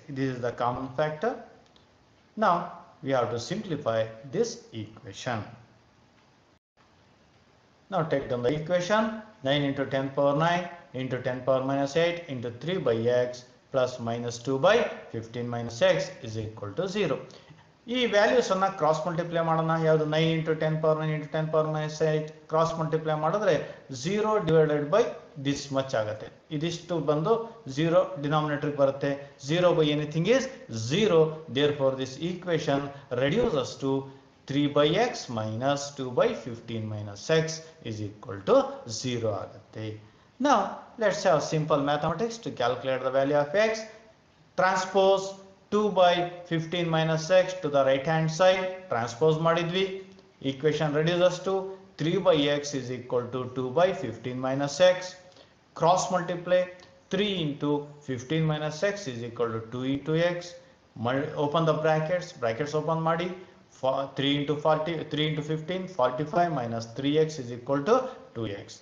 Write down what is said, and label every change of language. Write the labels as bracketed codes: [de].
[en] This is the common factor. Now we have to simplify this equation. Now take down the equation. 9 into 10 power 9 into 10 power minus 8 into 3 by x plus minus 2 by 15 minus x is equal to 0. [kn] ಈ values ಅನ್ನ cross multiply ಮಾಡೋಣ. ಯಾವುದು 9 into 10 power 9 into 10 power minus 8 cross multiply ಮಾಡಿದ್ರೆ 0 [en] divided by this much [kn] ಆಗುತ್ತೆ. ಇದಿಷ್ಟು ಬಂದು 0 ಡಿನಾಮಿನೇಟರ್ಗೆ ಬರುತ್ತೆ. [en] 0 by anything is 0. There for this equation reduces to 3 by x minus 2 by 15 minus x is equal to 0 ಆಗುತ್ತೆ. ನಾವು let's have simple mathematics to calculate the value of x. Transpose 2 by 15 minus x to the right hand side, [kn] transpose madidvi, [en] equation reduces to 3 by x is equal to 2 by 15 minus x, cross multiply 3 into 15 minus x is equal to 2 into x, open the brackets, [kn] open madi, [en] 3 into 15, 45 minus 3x is equal to 2x.